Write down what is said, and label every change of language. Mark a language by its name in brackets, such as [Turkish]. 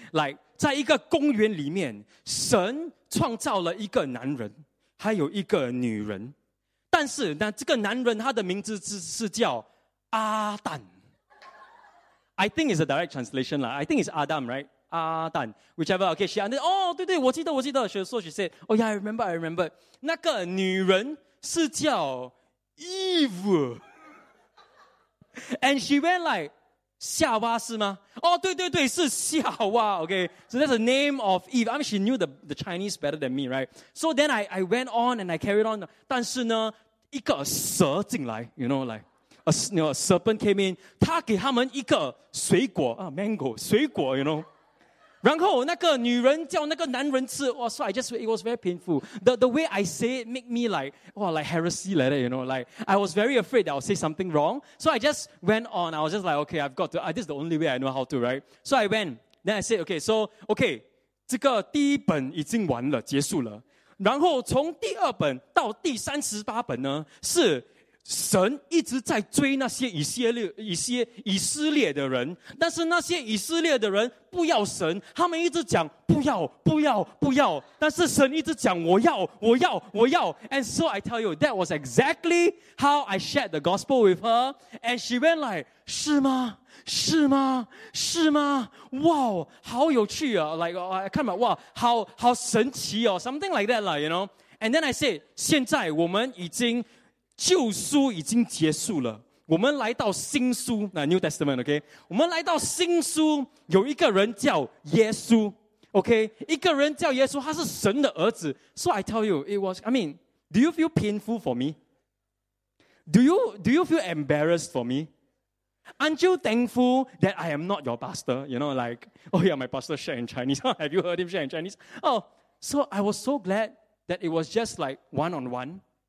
[Chinese] Like, 在一个公园里面, 神创造了一个男人, 还有一个女人, 但是, 这个男人, 他的名字是叫阿丹. [English] I think it's a direct translation, lah. I think it's Adam, right? Adam. Whichever, okay, she understood. Oh, [Chinese] 对对, 我记得, 我记得. [English] So she said, oh yeah, I remember. [Chinese] 那个女人是叫 [English] Eve. And she went like, [Chinese] 夏娃是吗？哦，对对对，是夏娃。 [English] Okay, so that's the name of Eve. I mean, she knew the Chinese better than me, right? So then I went on and I carried on. [Chinese] 但是呢，一个蛇进来 [English] ，you know, like a, you know, a serpent came in. [Chinese] 他给他们一个水果啊 ，mango 水果 ， [English] you know. [Chinese] 然后那个女人叫那个男人吃。 [English] Oh, so I just it was very painful. The way I say it make me like, oh, like heresy like that, you know. Like I was very afraid that I'll say something wrong. So I just went on. I was just like, okay, I've got to. This is the only way I know how to, right? So I went. Then I said, okay, so okay, [Chinese] 这个第一本已经完了，结束了。然后从第二本到第三十八本呢，是神一直在追那些以色列的人，但是那些以色列的人不要神，他们一直讲不要不要不要，但是神一直讲我要我要我要。 [English] And so I tell you, that was exactly how I shared the gospel with her, and she went like, [Chinese] 是吗？是吗？是吗？ [English] 哇、wow, [Chinese] 好有趣啊 [English] ！Like I can't remember, 哇、wow, ， [Chinese] 好神奇哦 [English] ，something like that, lah, you know. And then I said, [Chinese] 现在我们已经旧书已经结束了，我们来到新书，那 [English] New Testament, OK? [Chinese] 我们来到新书，有一个人叫耶稣 ，OK? 一个人叫耶稣，他是神的儿子。 [English] So I tell you, it was. I mean, do you feel painful for me? Do you feel embarrassed for me? Aren't you thankful that I am not your pastor? You know, like, oh yeah, my pastor shared in Chinese. Have you heard him share in Chinese? Oh, so I was so glad that it was just like one-on-one.